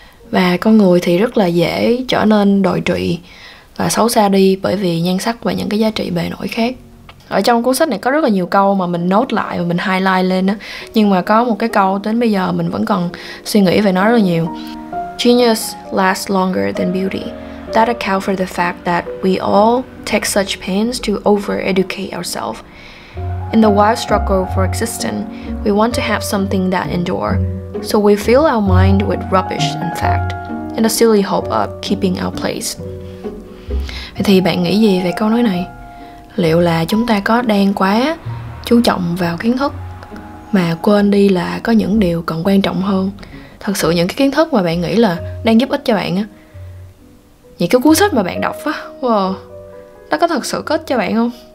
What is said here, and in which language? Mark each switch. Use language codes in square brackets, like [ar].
[vi] Và con người thì rất là dễ trở nên đồi trụy và xấu xa đi bởi vì nhan sắc và những cái giá trị bề nổi khác. Ở trong cuốn sách này có rất là nhiều câu mà mình note lại và mình highlight lên đó. Nhưng mà có một cái câu đến bây giờ mình vẫn còn suy nghĩ về nó rất là nhiều. [en] Genius lasts longer than beauty. That account for the fact that we all take such pains to over-educate ourselves. In the wild struggle for existence, we want to have something that endure. So we fill our mind with rubbish, in fact, in a silly hope of keeping our place. [vi] Vậy thì bạn nghĩ gì về câu nói này? Liệu là chúng ta có đang quá chú trọng vào kiến thức mà quên đi là có những điều còn quan trọng hơn? Thật sự những cái kiến thức mà bạn nghĩ là đang giúp ích cho bạn á, những cái cuốn sách mà bạn đọc á, wow, nó có thật sự có ích cho bạn không?